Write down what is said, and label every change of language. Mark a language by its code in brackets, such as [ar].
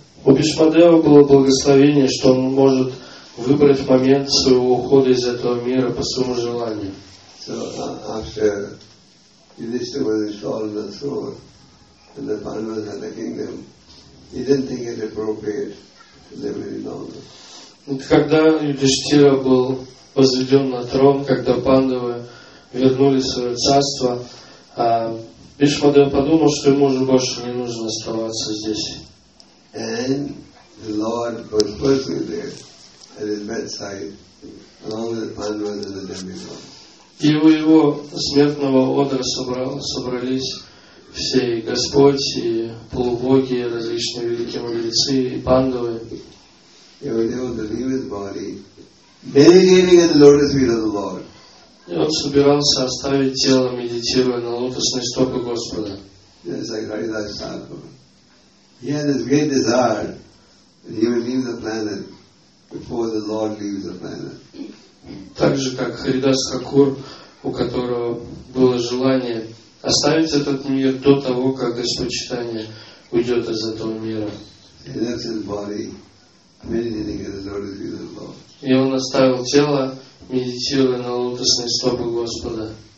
[ru] У Бишмадева было благословение, что он может выбрать момент своего ухода из этого мира по своему желанию. [en] So, after Yudhishthira was installed on the throne and the Pandavas had the kingdom, he didn't think it appropriate to live any longer. [ru] Когда Юдиштира был возведен на трон, когда Пандавы вернули свое царство, Бишмадева подумал, что ему уже больше не нужно оставаться здесь. [en] And the Lord was personally there at his bedside, along with Pandavas and the demigods. [ru] И у его смертного одра собрались все и Господь, и полубоги, и различные великие мудрецы, и Пандавы. [en] He was able to leave his body, meditating at the lotus feet of the Lord. [ru] И он собирался оставить тело, медитируя на лотосные стопы Господа. [en] Yes, like Haridas Thakur. He had this great desire that he would leave the planet before the Lord leaves the planet. [ru] Так же, как Харидас Хакур, у которого было желание оставить этот мир до того, как Господь Чайтанья уйдет из этого мира. [en] He left his body, meditating at the lotus feet of the Lord. [ru] И он оставил тело, медитируя на лотосные стопы Господа.